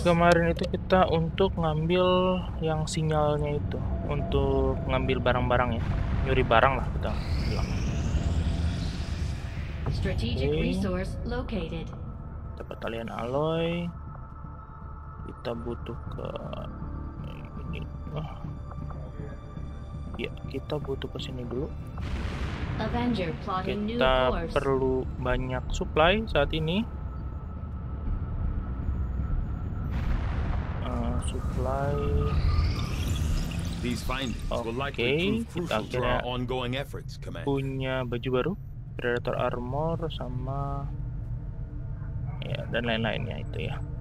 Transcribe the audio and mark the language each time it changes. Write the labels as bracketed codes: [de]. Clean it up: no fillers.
[id] Kemarin itu kita untuk ngambil yang sinyalnya itu, untuk ngambil barang-barang ya, nyuri barang lah kita bilang. [en] Strategic resource located. [id] Dapat talian Aloy. Kita butuh ke ini. Wah. Ya, kita butuh ke sini dulu. [en] Avenger plotting new course. [id] Kita perlu banyak supply saat ini. [en] Supply. These findings will likely prove crucial to our ongoing efforts, Command. [id] Punya baju baru, Predator Armor sama ya dan lain-lainnya itu ya.